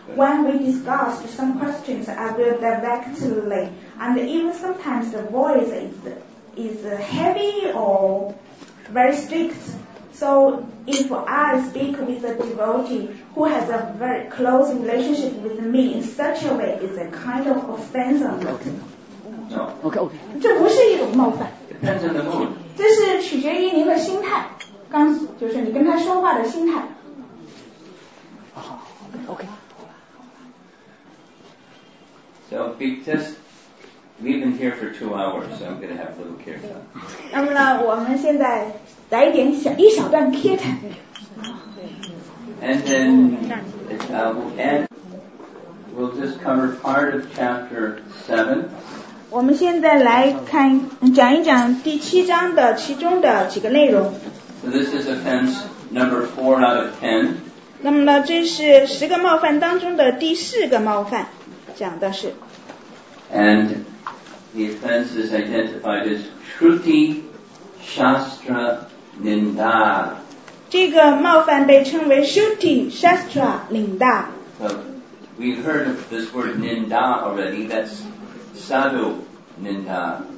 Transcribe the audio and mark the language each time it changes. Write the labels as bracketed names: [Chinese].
[English] When we discuss some questions, I will directly, and even sometimes the voice is heavy or very strict. So if I speak with a devotee who has a very close relationship with me in such a way, it's a kind of offense on me. Okay. [Chinese] 这不是一种冒犯。 [English] Depends on the mood. [Chinese] 这是取决于您的心态，刚就是你跟他说话的心态。好、oh, ，OK。 [English] So be just, we've been here for 2 hours, so I'm going to have a little care time. [Chinese] 那么呢，我们现在。来一点小一小段贴谈。 [English] And then we'll just cover part of chapter 7. [Chinese] 我们现在来看讲一讲第七章的其中的几个内容。 [English] So this is offense number 4 out of 10. [Chinese] 那么呢，这是十个冒犯当中的第四个冒犯，讲的是。 [English] And the offense is identified as Shruti Shastra. Ninda. [Chinese] 这个冒犯被称为 Shruti Shastra Ninda. [English] So, we've heard of this word ninda already. That's sadhu ninda.